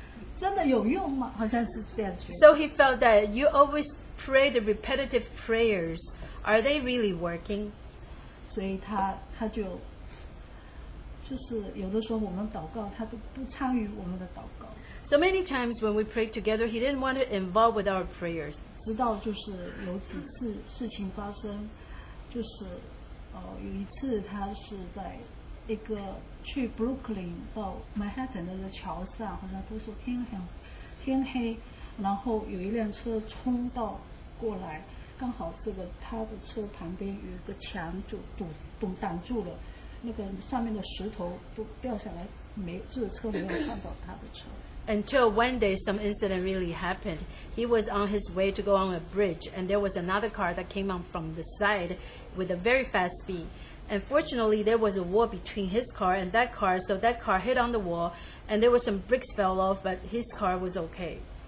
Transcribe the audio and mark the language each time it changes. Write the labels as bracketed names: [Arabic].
[Chinese] 他呢就觉得说，你好像每天都是重复这几句话，真的有用吗？好像是这样觉得。 [English] So he felt that you always pray the repetitive prayers. Are they really working? [Chinese] 所以他就是有的时候我们祷告，他都不参与我们的祷告。 [English] So many times when we prayed together, he didn't want to involve with our prayers. [Chinese] 直到就是有几次事情发生, 就是, 有一次他是在 一个去Brooklyn 到Manhattan的桥上 好像都是天黑 然后有一辆车冲到过来 刚好这个他的车旁边有一个墙就挡住了 那个上面的石头都掉下来 没这个车没有看到他的车 [English] Until one day some incident really happened. He was on his way to go on a bridge and there was another car that came on from the side with a very fast speed. And fortunately, there was a wall between his car and that car, so that car hit on the wall, and there were some bricks fell off, but his car was okay.